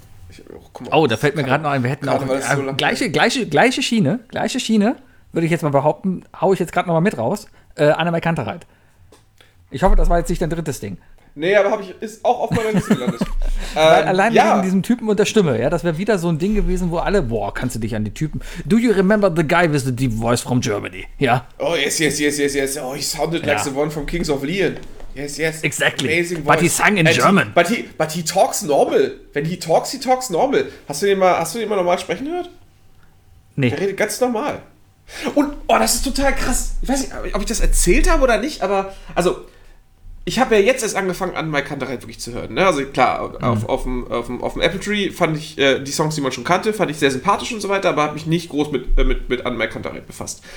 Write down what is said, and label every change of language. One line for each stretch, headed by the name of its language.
German: Ich, oh, guck mal, oh, da fällt mir gerade noch ein, wir hätten auch gleiche Schiene, würde ich jetzt mal behaupten, haue ich jetzt gerade nochmal mit raus. Annemarie Kantereit. Ich hoffe, das war jetzt nicht dein drittes Ding. Nee, aber ist auch auf meiner Liste gelandet. allein ja. Wegen diesem Typen und der Stimme. Ja, das wäre wieder so ein Ding gewesen, wo alle, boah, kannst du dich an die Typen.
English: Do you remember the guy with the deep voice from Germany? Ja. Oh, yes. Oh, he sounded like the one from Kings of Leon. Yes. Exactly. Amazing voice. But he sang in German. But he talks normal. When he talks normal.
German: Hast du den mal normal sprechen gehört? Nee. Der redet ganz normal. Und, oh, das ist total krass. Ich weiß nicht, ob ich das erzählt habe oder nicht, aber, also, ich habe ja jetzt erst angefangen, an Annemarie Kantereit wirklich zu hören. Ne? Also klar, auf dem Apple Tree fand ich die Songs, die man schon kannte, fand ich sehr sympathisch und so weiter, aber habe mich nicht groß mit Annemarie Kantereit befasst.